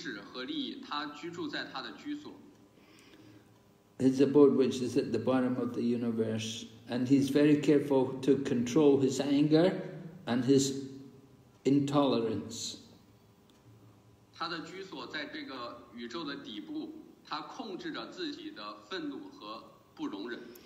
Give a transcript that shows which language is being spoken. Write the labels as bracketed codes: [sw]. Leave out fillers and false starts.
[zh] 为了这个物质世界众生的福祉和利益，他居住在他的居所。 [en] His abode, which is at the bottom of the universe, and he's very careful to control his anger and his intolerance. [zh] 他的居所在这个宇宙的底部，他控制着自己的愤怒和不容忍。